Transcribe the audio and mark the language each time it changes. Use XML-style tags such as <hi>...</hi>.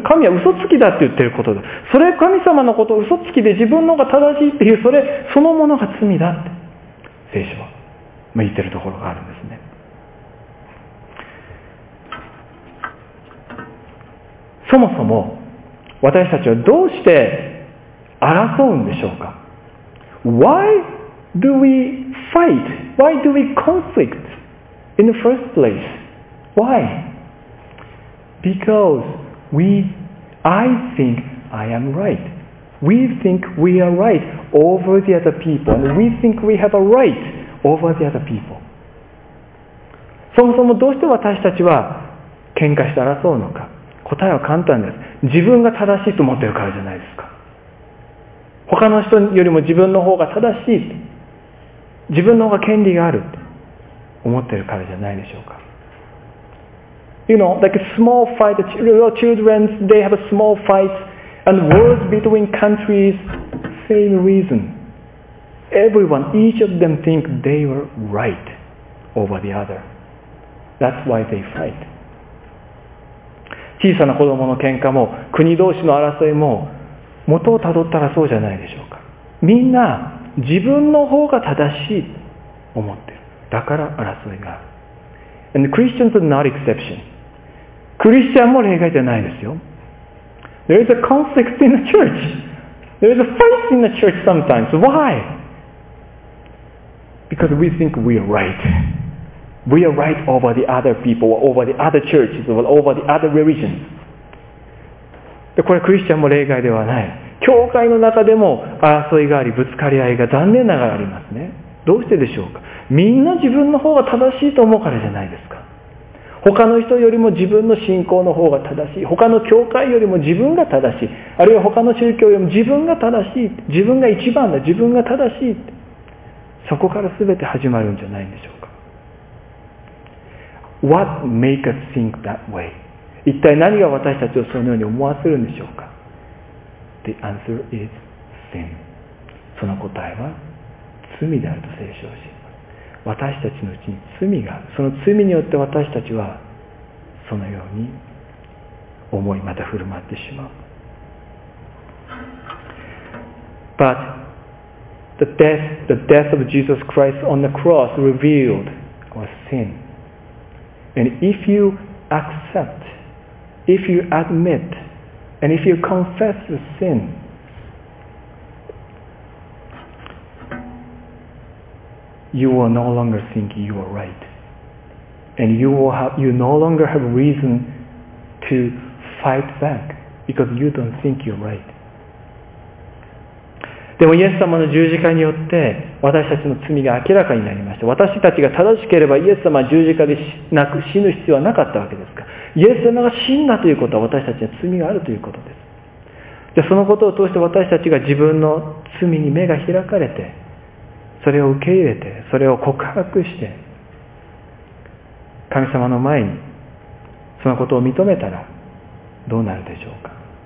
<ja>神は嘘つきだって言ってることだ。それ神様のことを嘘つきで自分の方が正しいっていう、それそのものが罪だって。聖書は言ってるところがあるんですね。そもそも私たちはどうして争うんでしょうか。</ja> <en>Why do we fight? Why do we conflict in the first place? Why? Because I think I am right. We think we are right over the other people. And we think we have a right over the other people.</en> <ja>そもそもどうして私たちは喧嘩して争うのか。答えは簡単です。自分が正しいと思っているからじゃないですか。他の人よりも自分の方が正しい、自分の方が権利があると思っているからじゃないでしょうか。</ja> <en>You know, like a small fight, little children, they have a small fight, and wars between countries, same reason. Everyone, each of them think they were right over the other. That's why they fight.</en> <ja>小さな子供の喧嘩も、国同士の争いも、元をたどったらそうじゃないでしょうか。みんな自分の方が正しいと思ってる。だから争いがある。</ja> <en>And Christians are not exception.</en> <ja>クリスチャンも例外じゃないですよ。</ja> <en>There is a conflict in the church. There is a fight in the church sometimes. Why? Because we think we are right. We are right over the other people, or over the other churches, or over the other religions.</en> <ja>で、これはクリスチャンも例外ではない。教会の中でも争いがあり、ぶつかり合いが残念ながらありますね。どうしてでしょうか？みんな自分の方が正しいと思うからじゃないですか。他の人よりも自分の信仰の方が正しい。他の教会よりも自分が正しい。あるいは他の宗教よりも自分が正しい。自分が一番だ。自分が正しい。そこから全て始まるんじゃないんでしょうか。</ja> <en>What makes us think that way?</en> <ja>一体何が私たちをそのように思わせるんでしょうか。</ja> <en>The answer is sin.</en> <ja>その答えは罪であると聖書し、私たちのうちに罪がある。その罪によって私たちはそのように思い、また振る舞ってしまう。</ja> <en>But the death of Jesus Christ on the cross revealed our sin. And if you accept, if you admit, and if you confess your sin,You will no longer think you are right. And you no longer have reason to fight back because you don't think you're right.</en> <ja>でもイエス様の十字架によって私たちの罪が明らかになりました。私たちが正しければイエス様は十字架で死ぬ必要はなかったわけですか。イエス様が死んだということは私たちに罪があるということです。じゃあそのことを通して私たちが自分の罪に目が開かれて、それを受け入れて、それを告白して、神様の前にそのことを認めたらどうなるでしょうか。</ja>